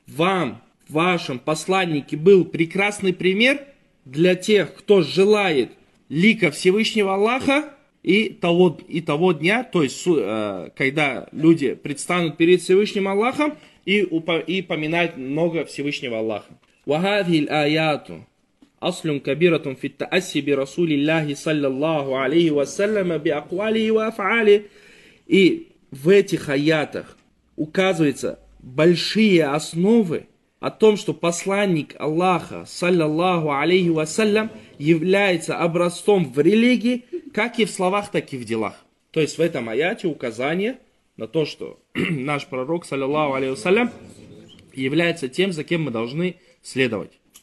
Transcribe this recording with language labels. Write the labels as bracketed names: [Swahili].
[Russian] Вам, в вашем посланнике, был прекрасный пример для тех, кто желает лика Всевышнего Аллаха и того дня, то есть когда люди предстанут перед Всевышним Аллахом и поминать много Всевышнего Аллаха. [Arabic] «Вахадхи аяту أصلٌ كبيرة في التأسي برسول الله صلى الله عليه وسلم بأقواله وأفعاله». [Russian] И в этих аятах указываются большие основы о том, что посланник Аллаха, саллиллаху алейхи вассалям, является образцом в религии, как и в словах, так и в делах. То есть в этом аяте указание на то, что наш пророк, саллиллаху алейхи вассалям, является тем, за кем мы должны следовать.